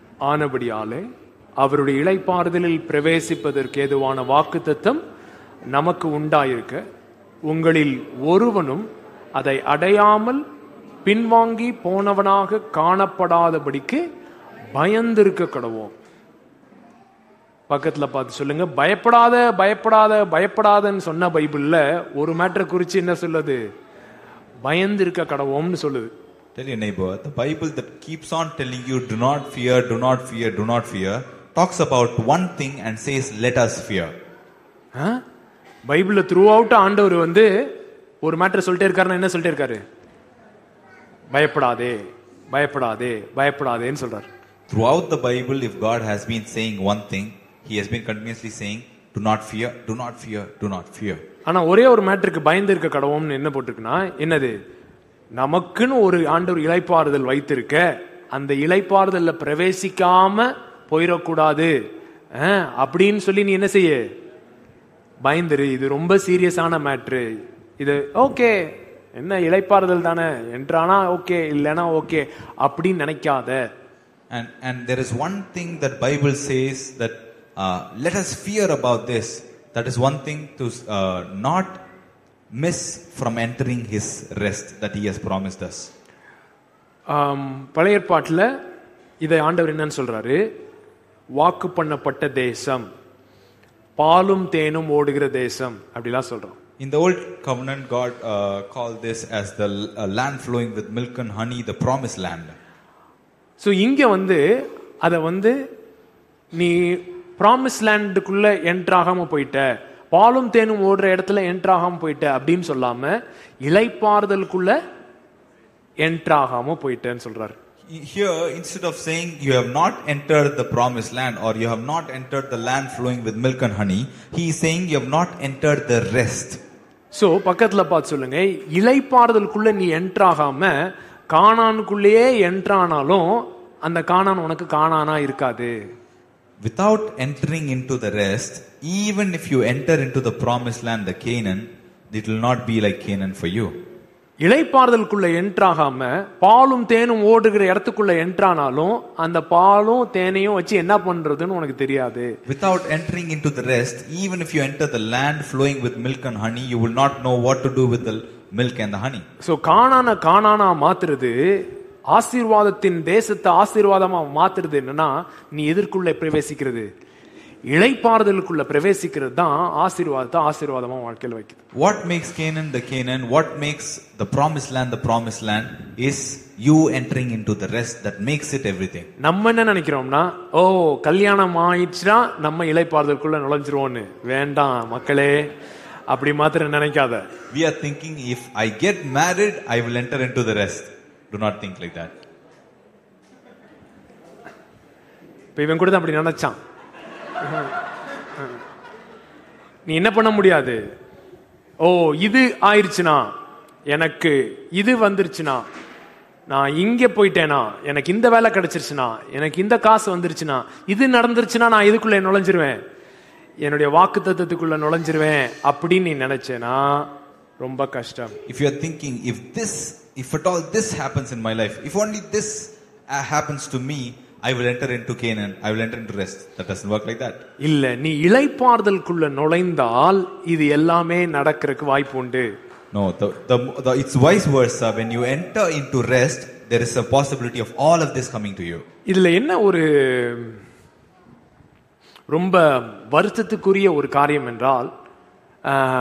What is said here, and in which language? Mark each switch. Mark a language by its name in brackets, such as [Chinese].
[Tamil] ஆனபடியாலே அவருடைய இளைப்பாறுதலில் பிரவேசிப்பதற்கு ஏதுவான வாக்குத்தத்தம் நமக்கு உண்டாயிருக்க, உங்களில் ஒருவனும் அதை அடையாமல் பின்வாங்கி போனவனாக காணப்படாதபடிக்கு பயந்திருக்க கடவோம். பக்கத்தில் பார்த்து சொல்லுங்க, பயப்படாத பயப்படாத பயப்படாதன்னு சொன்ன பைபிளில் ஒரு மேட்டரை குறித்து என்ன சொல்லுது? பயந்திருக்க கடவோம்னு சொல்லுது. [English] Tell your neighbor, the Bible that keeps on telling you, do not fear, do not fear, do not fear, talks about one thing and says, let us fear. Bible throughout [Tamil] ஆண்டவர் வந்து ஒரு மேட்டர் சொல்லிட்டே இருக்காருன்னா என்ன சொல்லிட்டே இருக்காரு? பயப்படாதே பயப்படாதே பயப்படாதேன்னு சொல்றாரு. [English] Throughout the Bible, if God has been saying one thing, he has been continuously saying, do not fear, do not fear, do not fear. [Tamil] ஆனா ஒரே ஒரு மேட்டருக்கு பயந்து இருக்க கடவோம்னு என்ன போட்டிருக்குன்னா, என்னது? நமக்குன்னு ஒரு ஆண்டவர் இளைப்பாறுதல் வைத்திருக்க, அந்த இளைப்பாறுதல்ல பிரவேசிக்காம போயிடக்கூடாது அப்படின்னு சொல்லி நீ என்ன செய்ய? பயந்துரு. இது ரொம்ப சீரியஸான மேட்ரு. இது ஓகே, என்ன இளைப்பாறுதல் தானே, என்றானா ஓகே இல்லைனா ஓகே அப்படின்னு நினைக்காத. [English] And there is one thing that Bible says that let us fear about this. That is one thing to not miss from entering his rest that he has promised us. [Tamil] பழைய ஏற்பாட்டில் இதை ஆண்டவர் என்னன்னு சொல்றாரு, வாக்கு பண்ணப்பட்ட தேசம், பாலும் தேனும் ஓடுகிற தேசம் அப்படிலாம் சொல்றோம். [English] In the old covenant, God called this as the land flowing with milk and honey, the promised land. [Tamil] So இங்க வந்து அத வந்து நீ [English] promised land [Tamil] க்குள்ள என்டர் ஆகாம போயிட்ட, பாலும் தேனும் ஓடுற இடத்துல என்டர் ஆகாம போயிட்ட அப்படின்னு சொல்லாம, இளைப்பாறுதலுக்குள்ள என்டர் ஆகாம போயிட்டேன்னு சொல்றாரு. [English] Here, instead of saying you have not entered the promised land or you have not entered the land flowing with milk and honey, he is saying you have not entered the rest. [Tamil] So பக்கத்துல பார்த்து சொல்லுங்க, இளைப்பாறுதலுக்குள்ள நீ enter ஆகாம கானானுக்குள்ளேயே enter ஆனாலும் அந்த கானான் உனக்கு கானானா இருக்காது. [English] Without entering into the rest, even if you enter into the promised land, the Canaan, it will not be like Canaan for you. [Tamil] இளைப்பாறுதலுக்குள்ள enter ஆகாம பாலும் தேனும் ஓடுகிற இடத்துக்குள்ள என்டர் ஆனாலும் அந்த பாலும் தேனையும் வச்சு என்ன பண்றதுன்னு உனக்கு தெரியாது. [English] Without entering into the rest, even if you enter the land flowing with milk and honey, you will not know what to do with the milk and the honey. [Tamil] So கானான கானானா மாத்துறது, ஆசீர்வாதத்தின் தேசத்தை ஆசீர்வாதமா மாத்துறது என்னன்னா, நீ எதற்குள்ள பிரவேசிக்கிறது? இளைப்பாறுதலுக்குள்ள பிரவேசிக்கிறது தான் ஆசீர்வாதத்தை ஆசீர்வாதமா வாழ்க்கையில் வைக்குது. [English] What makes Canaan the Canaan, what makes the promised land is you entering into the rest that makes it everything. [Tamil] நம்ம என்ன நினைக்கிறோம்னா, ஓ கல்யாணம் ஆயிடுச்சுனா நம்ம இளைப்பாறுதலுக்குள்ள நுழைஞ்சிருவோம்னு. வேண்டாம் மக்களே, அப்படி மாத்திரம் நினைக்காத. [English] We are thinking if I get married, I will enter into the rest. Do not think like that. [Tamil] Bevan கூட அப்படி நினைச்சான். நீ என்ன பண்ண முடியாது? ஓ இது ஆயிருச்சுனா, எனக்கு இது வந்துருச்சுனா, நான் இங்க போயிட்டேனா, எனக்கு இந்த வேலை கிடைச்சிருச்சுனா, எனக்கு இந்த காசு வந்துருச்சுனா, இது நடந்துருச்சுனா, நான் இதுக்குள்ள நுழைஞ்சிருவேன், என்னுடைய வாக்கு தத்துவத்துக்குள்ள நுழைஞ்சிருவேன் அப்படின்னு நீ நினைச்சேனா ரொம்ப கஷ்டம். [English] If you are thinking, if this, if at all this happens in my life, if only this happens to me, I will enter into Canaan, I will enter into rest. That doesn't work like that. [Tamil] இல்லை, நீ இளைப்பாறுதலுக்குள்ள நுழைந்தால் இது எல்லாமே நடக்கிறதுக்கு வாய்ப்பு உண்டு. [English] No, the it's vice versa. When you enter into rest, there is a possibility of all of this coming to you. [Tamil] இதுல என்ன ஒரு ரொம்ப வருத்தத்துக்குரிய ஒரு காரியம் என்றால், ஆ